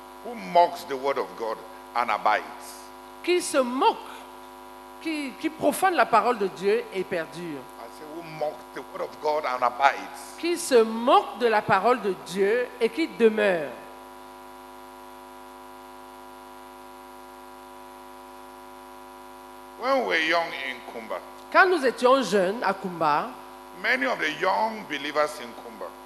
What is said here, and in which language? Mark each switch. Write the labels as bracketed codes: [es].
[en] Who mocks the word of God and abides? [fr] Qui se moque, qui profane la parole de Dieu et perdure. [en] I say, who mocks the word of God and abides? [fr] Qui se moque de la parole de Dieu et qui demeure. [en] When we were young in Kumba, [fr] quand nous étions jeunes à Kumba, [en] many of the young believers in Kumba,